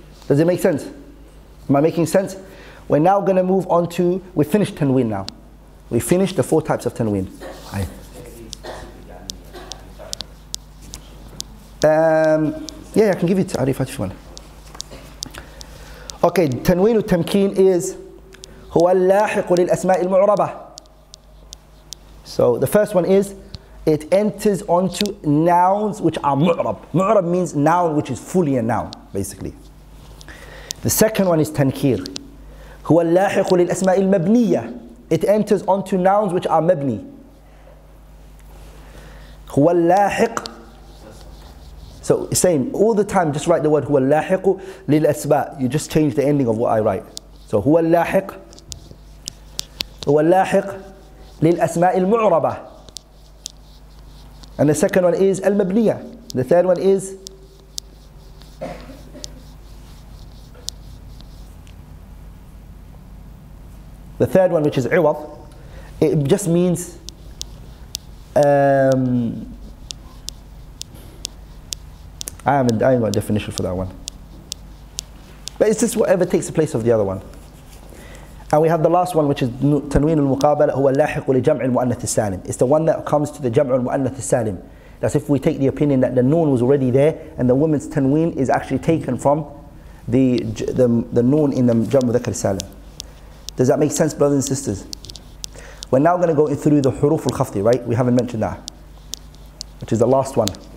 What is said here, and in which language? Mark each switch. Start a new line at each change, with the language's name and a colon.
English: Does it make sense? Am I making sense? We're now going to move on to, we finished Tanween now. We finished the four types of Tanween. I can give you Ta'rifat if you want. Okay, Tanween al-Tamkeen is
Arabic: هو اللاحق للأسماء المعربة.
English: So the first one is, it enters onto nouns which are mu'rab. Mu'rab means noun which is fully a noun, basically. The second one is tankir.
Arabic: هو اللاحق للأسماء المبنية.
English: It enters onto nouns which are mabni.
Arabic: هو اللاحق.
English: So same, all the time just write the word
Arabic: هو اللاحق للأسماء.
English: You just change the ending of what I write.
Arabic: So هو اللاحق. هو اللاحق للأسماء المعربة.
English: And the second one is المبنيه. The third one is the third one, which is عوض. It just means I ain't got a definition for that one. But it's just whatever takes the place of the other one. And we have the last one, which is
Arabic: تنوين المقابلة هو اللاحق لجمع المؤنث السالم.
English: It's the one that comes to the جمع المؤنث السالم. That's if we take the opinion that the noon was already there and the woman's تنوين is actually taken from the noon in the جمع ذكر السالم. Does that make sense, brothers and sisters? We're now going to go through the حروف الخفضي, right? We haven't mentioned that, which is the last one.